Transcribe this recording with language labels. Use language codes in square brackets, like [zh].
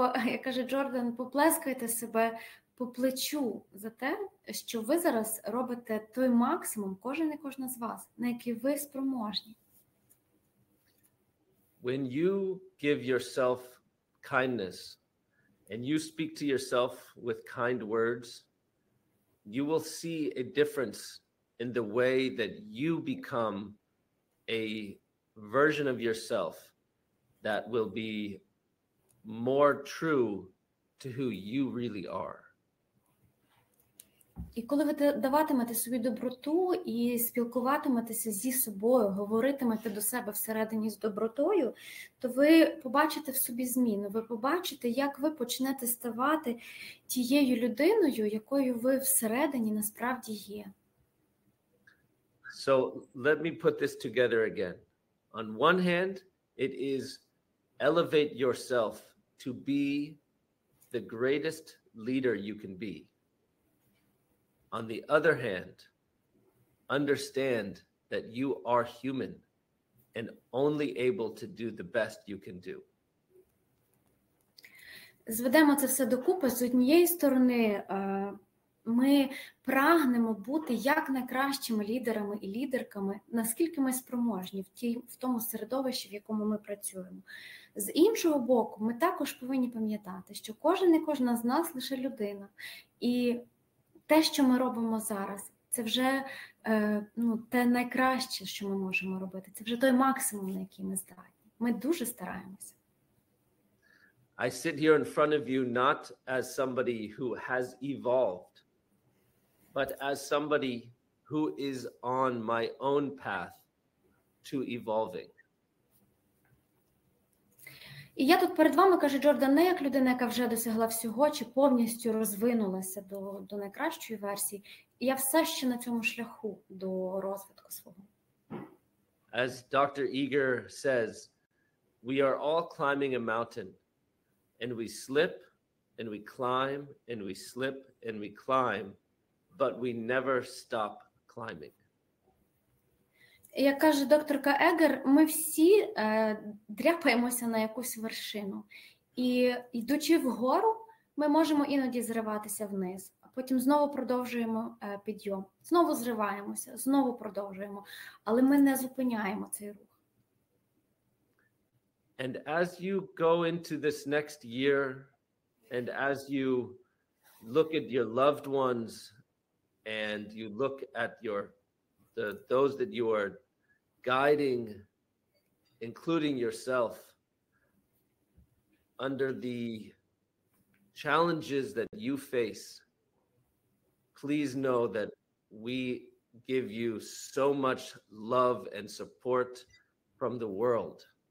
[uk] Як каже Джордан, поплескайте себе по плечу за те, що ви зараз робите той максимум, кожен і кожна з вас, на який ви спроможні. [en] When you give yourself kindness and you speak to yourself with kind words, you will see a difference in the way that you become a version of yourself that will be more true to who you really are. [uk] І коли ви даватимете собі доброту і спілкуватиметеся зі собою, говоритимете до себе всередині з добротою, то ви побачите в собі зміну, ви побачите, як ви почнете ставати тією людиною, якою ви всередині насправді є. [en] So let me put this together again. On one hand, it is elevate yourself to be the greatest leader you can be. On the other hand, understand that you are human and only able to do the best you can do. [uk] Зведемо це все докупи. З однієї сторони, ми прагнемо бути як найкращими лідерами і лідерками, наскільки ми спроможні в тому середовищі, в якому ми працюємо. З іншого боку, ми також повинні пам'ятати, що кожен і кожна з нас лише людина. І те, що ми робимо зараз, це вже те найкраще, що ми можемо робити. Це вже той максимум, на який ми здатні. Ми дуже стараємося. [en] I sit here in front of you not as somebody who has evolved, but as somebody who is on my own path to evolving. [uk] І я тут перед вами, каже Джордан, не як людина, яка вже досягла всього чи повністю розвинулася до найкращої версії. Я все ще на цьому шляху до розвитку свого. [en] As Dr. Eger says, we are all climbing a mountain. And we slip, and we climb, and we slip, and we climb, but we never stop climbing. [uk] Як каже докторка Егер, ми всі дряпаємося на якусь вершину. І йдучи вгору, ми можемо іноді зриватися вниз, а потім знову продовжуємо підйом. Знову зриваємося, знову продовжуємо, але ми не зупиняємо цей рух. [en] And as you go into this next year, and as you look at your loved ones, and you look at those that you are guiding, including yourself, under the challenges that you face, please know that we give you so much love and support from the world.